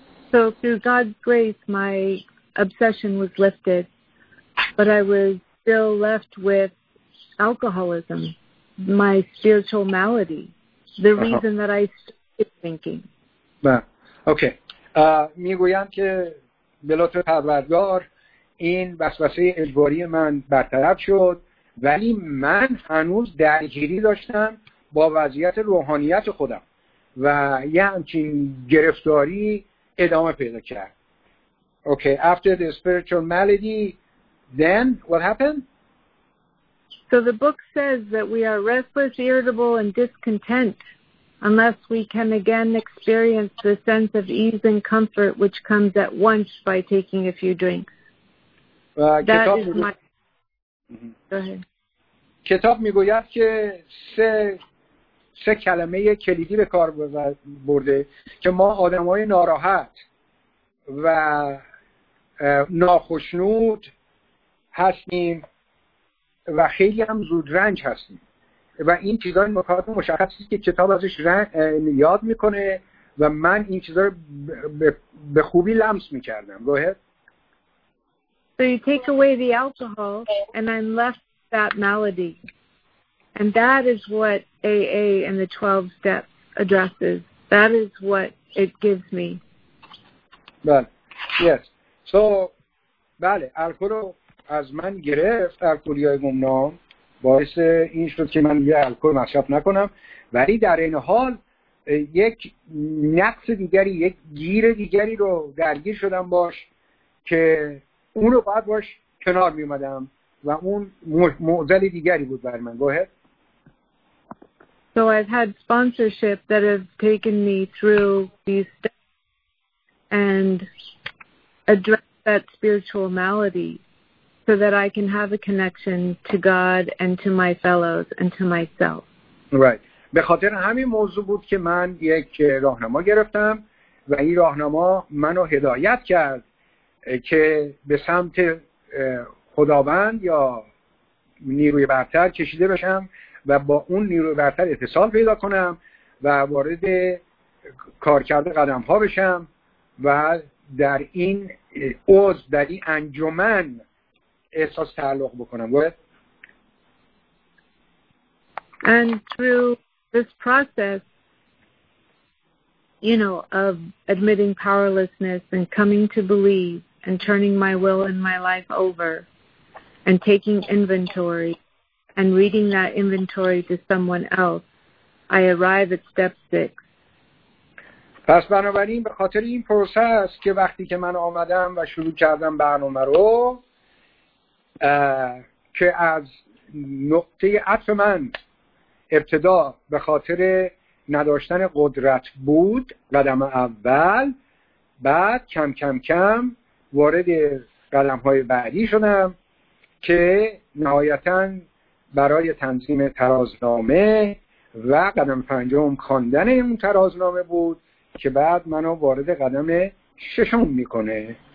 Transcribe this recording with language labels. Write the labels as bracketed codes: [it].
[en] So through God's grace my obsession was lifted, but I was still left with alcoholism, my spiritual malady, the reason that I started drinking. Okay. [fa] میگویم که به لطف پروردگار این وسوسه اجباری من برطرف شد ولی من هنوز درگیری داشتم با وضعیت روحانیت خودم و یه همچین گرفتاری ادامه پیدا کرد. [en] Okay. After the spiritual malady, then what happened? So the book says that we are restless, irritable, and discontent unless we can again experience the sense of ease and comfort which comes at once by taking a few drinks. That is my... Go ahead. [fa] کتاب میگوید که سه کلمه کلیدی به کار برده که ما آدمای ناراحت و ناخشنود هستیم و خیلی هم زود رنج هستیم و این چیزای نکات مشخصی که کتاب ازش یاد میکنه و من این چیزا رو به خوبی لمس میکردم. [en] Go ahead. So you take away the alcohol and I'm left that malady. And that is what AA and the 12 steps addresses. That is what it gives me. [fa] بله. [en] Yes. So [fa] بله الکل از من گرفت الکلی های گمنام باعث این شد که من یه الکل مصرف نکنم ولی در این حال یک نقص دیگری یک گیر دیگری رو درگیر شدم باش که اون رو باید باش کنار میومدم و اون معضل دیگری بود بر من. [en] Go ahead. So I've had sponsorship that has taken me through these steps and addressed that spiritual malady so that I can have a connection to God and to my fellows and to myself. Right. [fa] به خاطر همین موضوع بود که من یک راهنما گرفتم و این راهنما منو هدایت کرد که به سمت خداوند یا نیروی برتر کشیده بشم و با اون نیروی برتر اتصال پیدا کنم و وارد کارکرد قدم‌ها بشم و در این عضو در این انجمن احساس تعلق بکنم. [en] And through this process, you know, of admitting powerlessness and coming to believe and turning my will and my life over and taking inventory and reading that inventory to someone else, I arrive at step 6. [fa] پس بنابراین به خاطر این پروسه است که وقتی که من آمدم و شروع کردم برنامه رو که از نقطه عطف من ابتدا به خاطر نداشتن قدرت بود قدم اول بعد کم کم کم وارد قدم های بعدی شدم که نهایتا برای تنظیم ترازنامه و قدم پنجم خواندن اون ترازنامه بود که بعد منو وارد قدم ششم میکنه.